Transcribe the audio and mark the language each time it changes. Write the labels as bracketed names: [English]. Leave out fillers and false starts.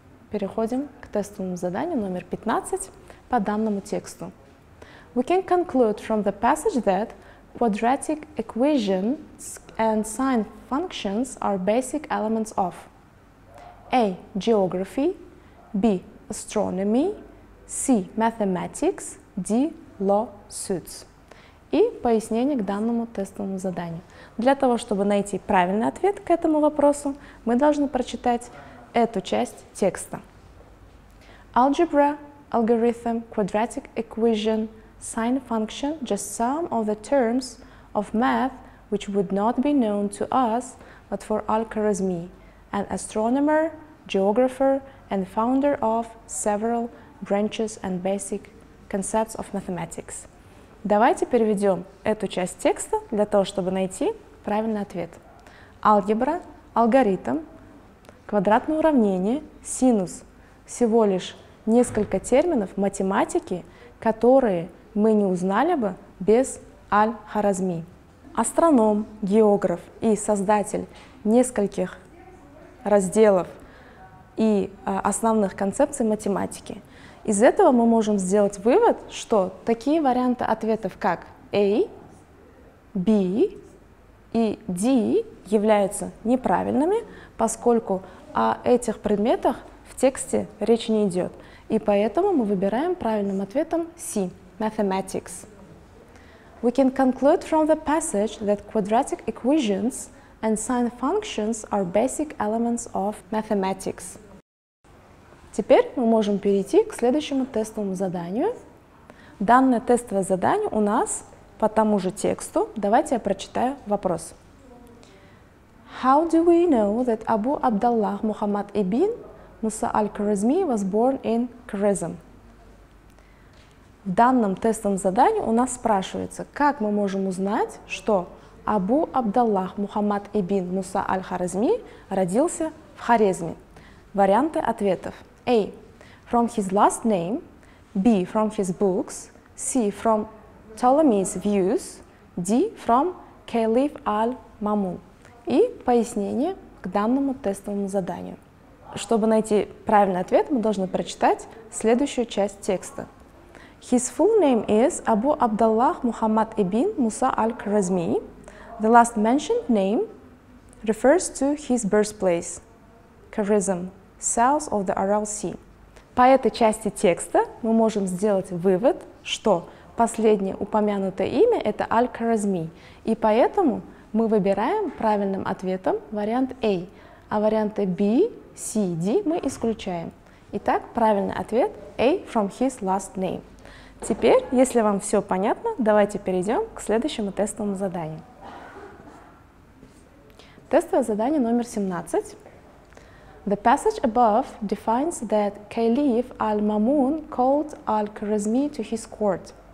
[Russian] Переходим к тестовому заданию номер 15 по данному тексту. [English] We can conclude from the passage that quadratic equations and sine functions are basic elements of A. Geography, B. Astronomy, C. Mathematics, D. Lawsuits. [Russian] И пояснение к данному тестовому заданию. Для того, чтобы найти правильный ответ к этому вопросу, мы должны прочитать эту часть текста. [English] Algebra, algorithm, quadratic equation, sine function, just some of the terms of math which would not be known to us but for Al-Khwarizmi, an astronomer, geographer, and founder of several branches and basic concepts of mathematics. [Russian] Давайте переведем эту часть текста для того, чтобы найти правильный ответ. Алгебра, алгоритм, квадратное уравнение, синус — всего лишь несколько терминов математики, которые мы не узнали бы без Аль-Хоразми. Астроном, географ и создатель нескольких разделов и основных концепций математики. Из этого мы можем сделать вывод, что такие варианты ответов, как A, B и D, являются неправильными, поскольку о этих предметах в тексте речь не идет. И поэтому мы выбираем правильным ответом C — Mathematics. [English] We can conclude from the passage that quadratic equations and sine functions are basic elements of mathematics. [Russian] Теперь мы можем перейти к следующему тестовому заданию. Данное тестовое задание у нас по тому же тексту. Давайте я прочитаю вопрос. [English] How do we know that Abu Abdullah Muhammad ibn Musa al-Khwarizmi was born in Khwarizm? [Russian] В данном тестовом задании у нас спрашивается, как мы можем узнать, что Абу Абдаллах Мухаммад ибн Муса аль-Хоразми родился в Хорезме? Варианты ответов. [English] A. From his last name. B. From his books. C. From Ptolemy's views. D. From Caliph al-Mamun. [Russian] И пояснение к данному тестовому заданию. Чтобы найти правильный ответ, мы должны прочитать следующую часть текста. [English] His full name is Abu Abdullah Muhammad ibn Musa al-Khwarizmi. The last mentioned name refers to his birthplace, Khwarizm, south of the Aral Sea. [Russian] По этой части текста мы можем сделать вывод, что последнее упомянутое имя — это Al-Khwarizmi, и поэтому мы выбираем правильным ответом вариант A, а варианты B, C, D мы исключаем. Итак, правильный ответ — A [English] from his last name. [Russian] Теперь, если вам все понятно, давайте перейдем к следующему тестовому заданию. Тестовое задание номер 17. [English] The passage above defines that Caliph al-Mamun called al-Khwarizmi to his court.